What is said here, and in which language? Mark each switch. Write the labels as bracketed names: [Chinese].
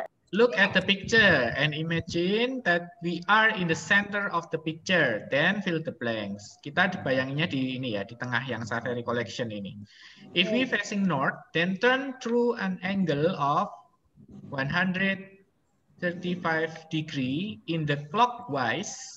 [English] Look at the picture and imagine that we are in the center of the picture. Then fill the blanks. [Indonesian] Kita dibayanginnya di ini ya, di tengah yang Safari Collection ini. [English] If we facing north, then turn through an angle of 135 degree in the clockwise.